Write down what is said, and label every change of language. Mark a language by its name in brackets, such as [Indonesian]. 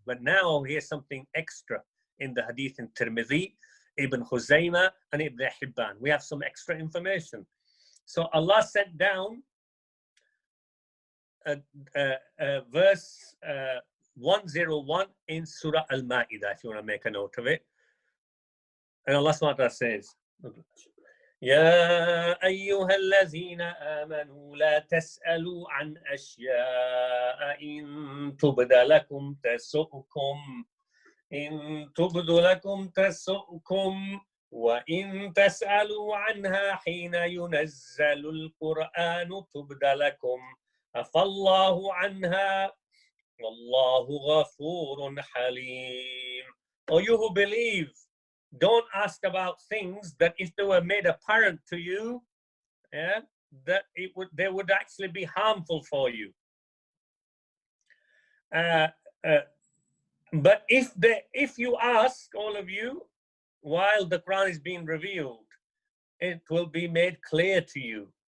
[English] But now here's something extra in the hadith in Tirmidhi, Ibn Huzayma and Ibn Hibban. We have some extra information. So Allah sent down verse 101 in Surah Al-Ma'idah, if you want to make a note of it. And Allah SWT says, [Arabic] يَا أَيُّهَا الَّذِينَ آمَنُوا لَا تَسْأَلُوا عَنْ أَشْيَاءَ إِن تُبْدَ لَكُمْ تَسُؤْكُمْ إِن تُبْدُ لَكُمْ تَسُؤْكُمْ وَإِن تَسْأَلُوا عَنْهَا حِينَ يُنَزَّلُ الْقُرْآنُ تُبْدَ لَكُمْ أَفَاللَّهُ عَنْهَا وَاللَّهُ غَفُورٌ حَلِيمٌ. [English] Oh, you who believe, don't ask about things that if they were made apparent to you, yeah, that it would, they would actually be harmful for you. But if you ask, all of you, while the Quran is being revealed, it will be made clear to you.